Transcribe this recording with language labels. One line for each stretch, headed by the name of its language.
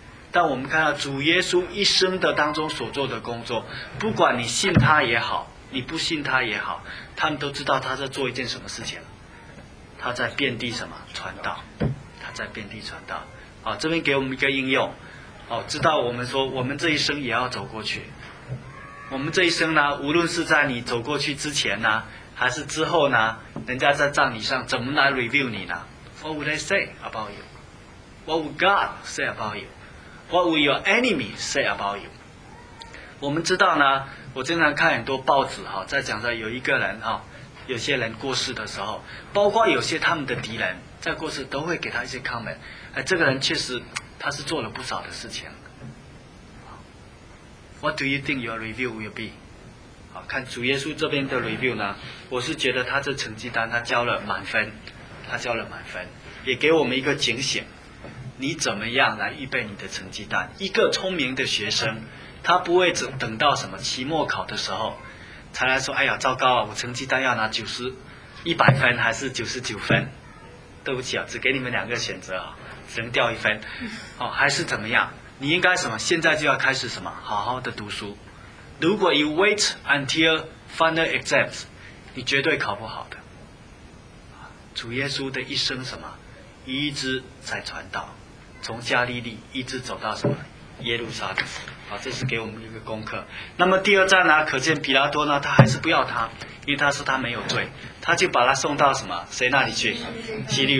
Chinese: 但我们看到主耶稣一生的当中所做的工作，不管你信他也好，你不信他也好，他们都知道他在做一件什么事情，他在遍地什么传道，他在遍地传道。好，这边给我们一个应用。好，知道我们说我们这一生也要走过去，我们这一生呢，无论是在你走过去之前呢，还是之后呢，人家在葬礼上怎么来 review 你呢？
English: What would they say about you? What would God say about you? What would your enemy say about you?
Chinese: 我们知道呢，我经常看很多报纸哈，在讲到有一个人哈，有些人过世的时候，包括有些他们的敌人在过世都会给他一些 comment， 哎，这个人确实他是做了不少的事情。
English: What do you think your review will be？
Chinese: 好，看主耶稣这边的 review 呢，我是觉得他这成绩单他交了满分，他交了满分，也给我们一个警醒：你怎么样来预备你的成绩单？一个聪明的学生，他不会只等到什么期末考的时候才来说：“哎呀，糟糕啊，我成绩单要拿90、100分还是99分？” 对不起啊，只给你们两个选择啊，只能掉一分，哦，还是怎么样？你应该什么？现在就要开始什么？好好的读书。如果
English: you wait until final exams，
Chinese: 你绝对考不好的。主耶稣的一生什么？一直在传道，从加利利一直走到什么？耶路撒冷。好，这是给我们一个功课。那么第二站呢？可见比拉多呢，他还是不要他，因为他说他没有罪，他就把他送到什么？谁那里去？希律。